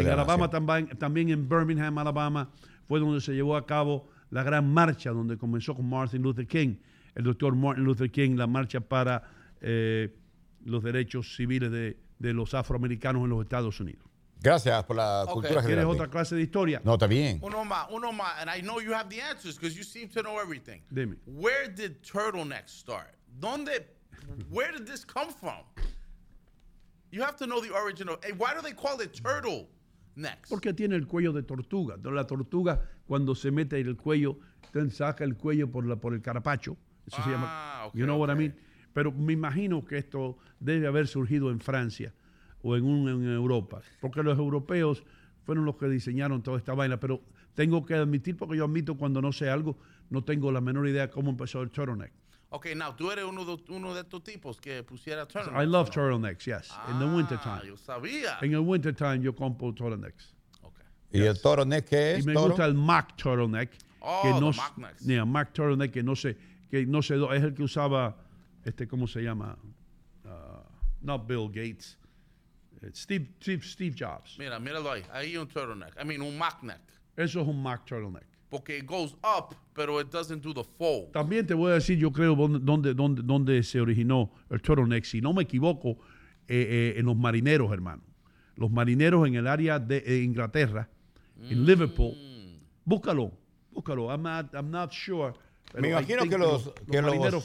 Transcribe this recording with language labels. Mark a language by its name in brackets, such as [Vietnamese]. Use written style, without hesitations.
[Spanish] En Alabama también en Birmingham, Alabama, fue donde se llevó a cabo la gran marcha, donde comenzó con Martin Luther King, el doctor Martin Luther King, la marcha para los derechos civiles de los afroamericanos en los Estados Unidos. Gracias por la cultura general. ¿Quieres otra clase de historia? No, está bien. Uno más, [English] and I know you have the answers, because you seem to know everything. [Spanish] Dime. [English] Where did turtlenecks start? Where did this come from? You have to know the origin of. Hey, why do they call it turtle necks? [Spanish] Porque tiene el cuello de tortuga. La tortuga cuando se mete en el cuello, te saca el cuello por el carapacho. Eso se llama. Okay, you know okay. [English] What I mean? [Spanish] Pero me imagino que esto debe haber surgido en Francia o en Europa, porque los europeos fueron los que diseñaron toda esta vaina. Pero tengo que admitir, porque yo admito cuando no sé algo, no tengo la menor idea cómo empezó el turtleneck. Okay, now, tú eres uno de estos tipos que pusiera turtlenecks. [English] I love turtlenecks, yes, in the wintertime. [Spanish] Yo sabía. [English] In the wintertime, [Spanish] yo compro turtlenecks. Okay. Yes. ¿Y el turtleneck qué es? Y me gusta el mock turtleneck. [English] Oh, [Spanish] que no, [English] the mock necks. [Spanish] Yeah, mock turtleneck, que no sé, es el que usaba, ¿cómo se llama? [English] Not Bill Gates. Steve Jobs. [Spanish] Míralo ahí un turtleneck. [English] I mean, [Spanish] un mock neck. Eso es un mock turtleneck. [English] Porque it goes up, pero it doesn't do the fold. [Spanish] También te voy a decir, yo creo, dónde se originó el turtleneck. Si no me equivoco, en los marineros, hermano. los marineros en el área de Inglaterra, en Liverpool. Búscalo. [English] I'm not sure. [Spanish] Pero me imagino que los marineros